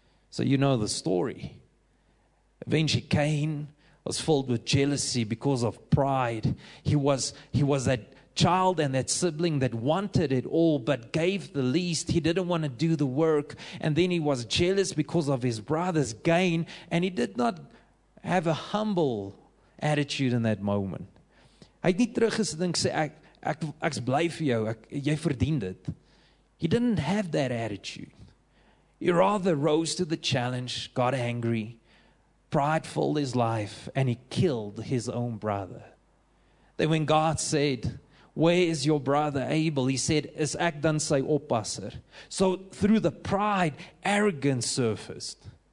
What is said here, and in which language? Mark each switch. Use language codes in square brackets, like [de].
[en] So you know the story. Eventually, Cain was filled with jealousy because of pride. He was that child and that sibling that wanted it all but gave the least. He didn't want to do the work. And then he was jealous because of his brother's gain. And he did not have a humble attitude in that moment. [af] Hy het nie teruggesit en sê ek is bly vir jou, jy verdien dit. [en] He didn't have that attitude. He rather rose to the challenge, got angry, prideful his life, and he killed his own brother. Then when God said, where is your brother Abel? He said, [af] is ek dan sy oppasser? [en] So through the pride, arrogance surfaced.